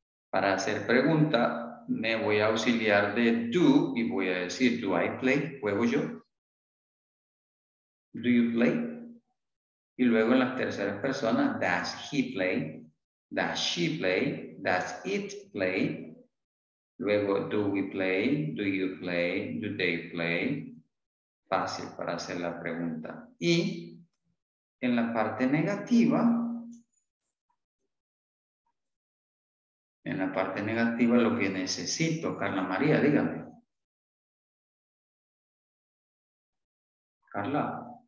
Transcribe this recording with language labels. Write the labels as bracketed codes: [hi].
[es] Para hacer pregunta, me voy a auxiliar de do y voy a decir, [en] do I play? [es] ¿Juego yo? [en] Do you play? [es] Y luego en las terceras personas, [en] does he play? Does she play? Does it play? Luego, do we play, do you play, do they play? [es] Fácil para hacer la pregunta. Y en la parte negativa, lo que necesito, Carla María, dígame. Carla.